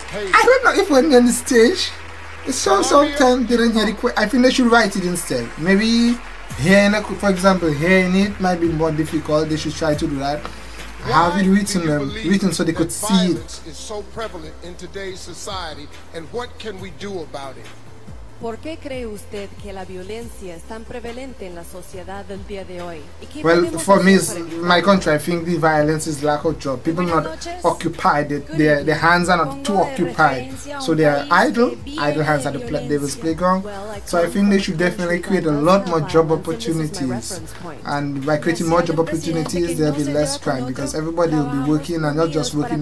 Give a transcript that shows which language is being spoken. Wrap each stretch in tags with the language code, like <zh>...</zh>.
<en>I don't know if we're on the stage. Sometimes they don't hear the question. I think they should write it instead. Maybe hearing, for example, hearing it might be more difficult. They should try to do that. Why have it written, written so they could see it. Is so prevalent in today's society, and what can we do about it?</en> <es>¿Por qué cree usted que la violencia es tan prevalente en la sociedad del día de hoy?</es> <en>Well, for me, my country, I think the violence is lack of job. People are not occupied. Their hands are not too occupied. So they are idle hands at the devil's playground. So I think they should definitely create a lot more job opportunities. And by creating more job opportunities, there will be less crime because everybody will be working and not just working.</en>